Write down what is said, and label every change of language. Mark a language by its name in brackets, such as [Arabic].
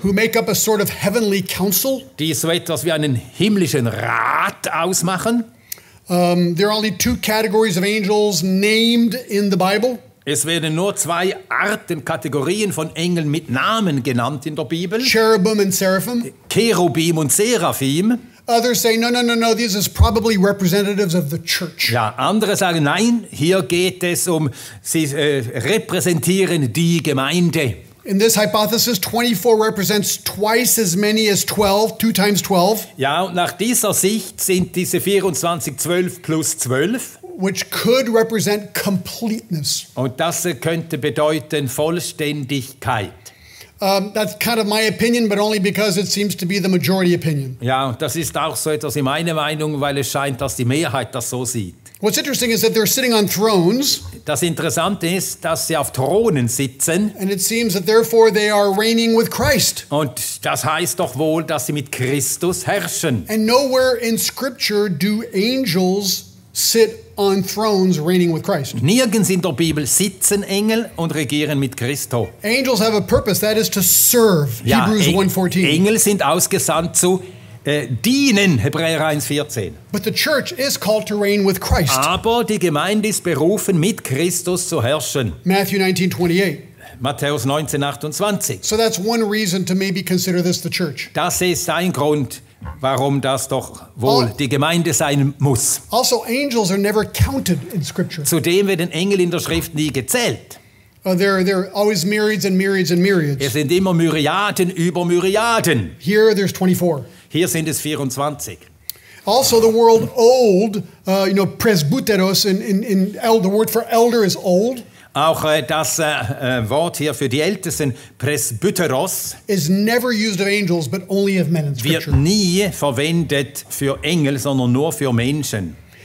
[English] Who make up a sort of heavenly council. [German] Die so etwas wie einen himmlischen Rat ausmachen. [English] There are only two categories of angels named in the Bible. [German] Es werden nur zwei Arten, Kategorien von Engeln mit Namen genannt in der Bibel. [English] Cherubim and Seraphim. [German] Cherubim und Seraphim. [English] Others say no, this is probably representatives of the church. [German] Ja, andere sagen nein, hier geht es um sie repräsentieren die Gemeinde. [English] In this hypothesis 24 represents twice as many as 12, 2 times 12. [German] Ja, und nach dieser Sicht sind diese 24 12 plus 12. [English] Which could represent completeness. [German] Und das könnte bedeuten Vollständigkeit. [English] That's kind of my opinion, but only because it seems to be the majority opinion. [German] Ja, das ist auch so etwas in meiner Meinung, weil es scheint, dass die Mehrheit das so sieht. [English] What's interesting is that they're sitting on thrones. [German] Das Interessante ist, dass sie auf Thronen sitzen. [English] And it seems that therefore they are reigning with Christ. [German] Und das heißt doch wohl, dass sie mit Christus herrschen. [English] And nowhere in Scripture do angels sit on thrones reigning with Christ. [German] Nirgends in der Bibel sitzen Engel und regieren mit Christo. [English] Angels have a purpose, that is to serve. [German] Ja, [English] Hebrews 1:14. [German] Engel sind ausgesandt zu dienen, Hebräer 1:14. [English] But the church is called to reign with Christ. [German] Aber die Gemeinde ist berufen, mit Christus zu herrschen. [English] Matthew 19:28. [German] Matthäus 19:28. [English] So that's one reason to maybe consider this the church. [German] Das ist ein Grund, warum das doch wohl die Gemeinde sein muss. [English] Also, angels are never counted in scripture. [German] Zudem werden Engel in der Schrift nie gezählt. [English] There are always myriads and myriads and myriads. [German] Es sind immer Myriaden über Myriaden. [English] Here there's 24. [German] Hier sind es 24. [English] Also, the word old, presbyteros, the word for elder is old. [German] Auch das Wort hier für die Ältesten, Presbyteros, [English] is never used of angels, but only of men in Scripture. [German] Wird nie verwendet für Engel, sondern nur für Menschen.